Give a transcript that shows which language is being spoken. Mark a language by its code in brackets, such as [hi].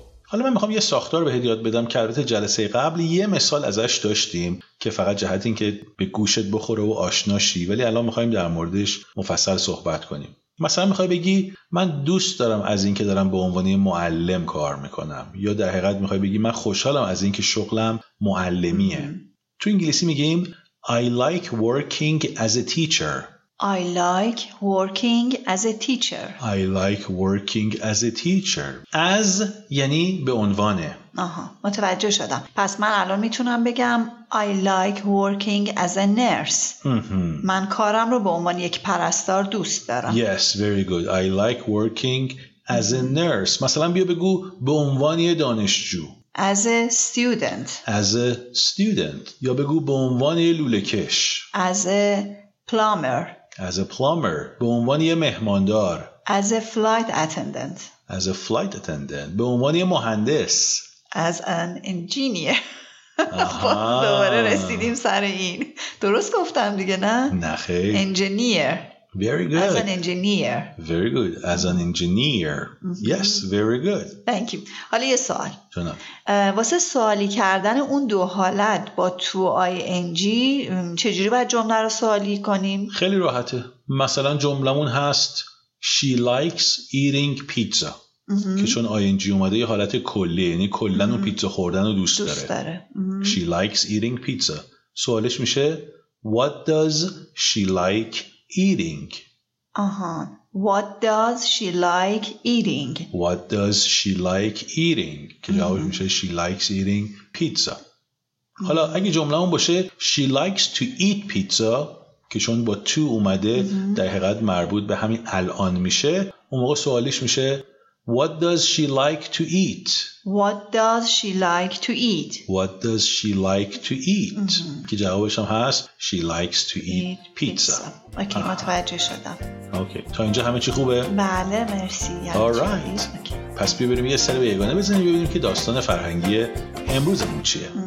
[fa] حالا من میخوام یه ساختار بهت یاد بدم که البته جلسه قبل یه مثال ازش داشتیم که فقط جهت این که به گوشت بخوره و آشنا شی، ولی الان میخوایم در موردش مفصل صحبت کنیم. مثلا میخوای بگی من دوست دارم از این که دارم به عنوان معلم کار میکنم، یا در حقیقت میخوای بگی من خوشحالم از این که شغلم معلمیه. تو انگلیسی میگیم [en] I like working as a teacher. I like working as a teacher. I like working as a teacher. [fa] As یعنی به عنوانه. آها متوجه شدم. پس من الان میتونم بگم [en] I like working as a nurse. [fa] من کارم رو به عنوان یک پرستار دوست دارم. [en] Yes, very good. I like working as a nurse. [fa] مثلا بیا بگو به عنوان یه دانشجو. [en] As a student. As a student. [fa] یا بگو به عنوان یه لوله‌کش. [en] As a plumber. As a plumber. [fa] به عنوان یه مهماندار. [en] As a flight attendant. As a flight attendant. [fa] به عنوان یه مهندس. [en] As an engineer. [fa] دوباره رسیدیم سر این. درست گفتم دیگه نه؟ نه خیلی. [en] Engineer. Very good. As an engineer. Very good. As an engineer. Yes, very good. Thank you. [fa] حالا یه سوال. جناب. واسه سوالی کردن اون دو حالت با تو ing چجوری باید جمله رو سوالی کنیم؟ خیلی راحته. مثلا جملمون هست [en] She likes eating pizza. [fa] که چون ing اومده یه حالت کلیه، یعنی کلن اون پیتزا خوردن رو دوست داره. دوست داره. [en] She likes eating pizza. [fa] سوالش میشه [en] What does she like eating? [fa] آهان. [en] What does she like eating? What does she like eating? [fa] که جوابش میشه [en] she likes eating pizza. [fa] حالا اگه جمله اون باشه [en] she likes to eat pizza [fa] که چون با to اومده در حقیقت مربوط به همین الان میشه، اون موقع سوالیش میشه [en] What does she like to eat? What does she like to eat? What does she like to eat? [fa] که جوابش هم هست [en] She likes to eat pizza. [fa] اوکی، متوجه شدم. اوکی، تا اینجا همه چی خوبه؟ بله، مرسی. [en] Alright. [fa] پس بیا بریم یه سر به یگانه بزنیم ببینیم که داستان فرهنگی امروزمون چیه.